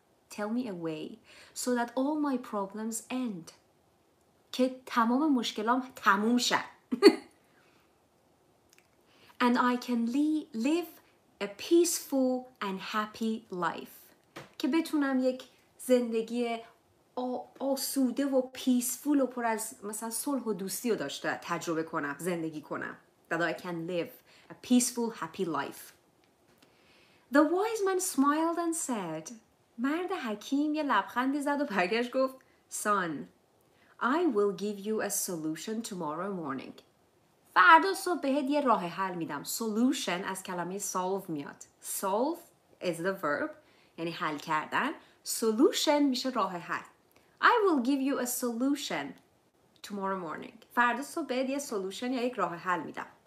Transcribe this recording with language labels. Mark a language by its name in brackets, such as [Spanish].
[English] Tell me a way so that all my problems end. [Persian] که تمام مشکلام تموم شه. [English] And I can live a peaceful and happy life. [Persian] که بتونم یک زندگی آسوده و پیسفول و پر از مثلا صلح و دوستی رو داشته تجربه کنم, زندگی کنم. [English] That I can live a peaceful, happy life. The wise man smiled and said, [Persian] مرد حکیم یه لبخندی زد و برگشت گفت, [English] Son, I will give you a solution tomorrow morning. [Persian] فردا صبح بهت یه راه حل میدم. Solution از کلمه solve میاد. [English] Solve is the verb, [Persian] یعنی حل کردن. Solution میشه راه حل. [English] I will give you a solution tomorrow morning. [Persian] فردا صبح بهت یه solution یا یک راه حل میدم.